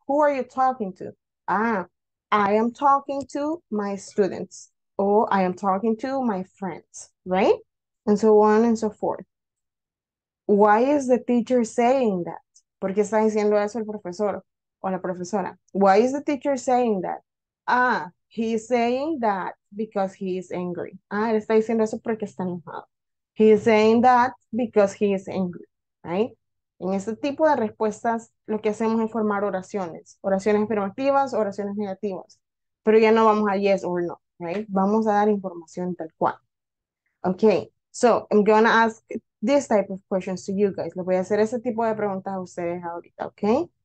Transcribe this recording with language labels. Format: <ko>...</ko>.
<en>Who are you talking to? Ah, I am talking to my students. O I am talking to my friends, right? And so on and so forth. Why is the teacher saying that?</en> <es>¿Por qué está diciendo eso el profesor o la profesora?</es> <en>Why is the teacher saying that? Ah, he is saying that because he is angry.</en> <es>Ah, él está diciendo eso porque está enojado.</es> <en>He is saying that because he is angry, right?</en> <es>En este tipo de respuestas, lo que hacemos es formar oraciones. Oraciones afirmativas, oraciones negativas. Pero ya no vamos a yes or no, right? Vamos a dar información tal cual.</es> <en>Okay, so I'm going to ask this type of questions to you guys.</en> <es>Le voy a hacer ese tipo de preguntas a ustedes ahorita, okay?</es>